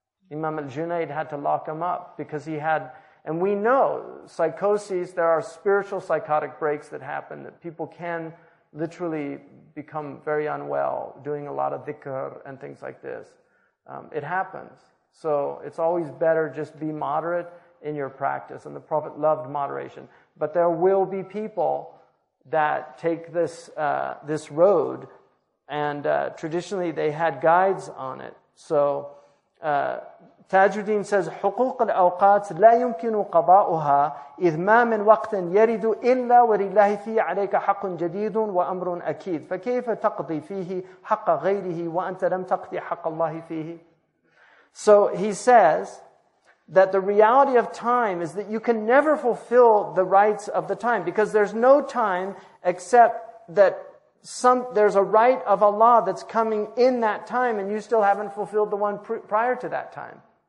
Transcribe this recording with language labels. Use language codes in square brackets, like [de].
[en] Imam al-Junaid had to lock him up because he had... And we know psychoses, there are spiritual psychotic breaks that happen, that people can literally become very unwell doing a lot of dhikr and things like this. It happens. So it's always better just be moderate in your practice. And the Prophet loved moderation. But there will be people that take this this road. And traditionally, they had guides on it. So Tajuddin says, [ar] حقوق الأوقات لا يمكن قضاؤها إذ ما من وقت يرد إلا ولله فيه عليك حق جديد وأمر أكيد فكيف تقضي فيه حق غيره وأنت لم تقضي حق الله فيه. [en] So he says that the reality of time is that you can never fulfill the rights of the time, because there's no time except that there's a right of Allah that's coming in that time, and you still haven't fulfilled the one prior to that time.